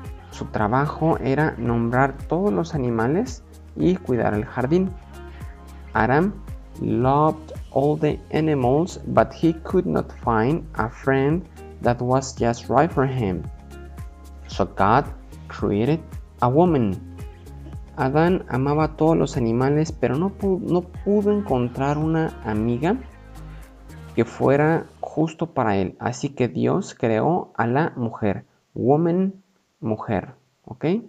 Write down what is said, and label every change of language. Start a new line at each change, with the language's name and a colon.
Spanish: Su trabajo era nombrar todos los animales y cuidar el jardín.
English: Adam loved all the animals, but he could not find a friend that was just right for him. So God created a woman.
Spanish: Adán amaba a todos los animales, pero no pudo encontrar una amiga que fuera justo para él. Así que Dios creó a la mujer. Woman, mujer. ¿Ok?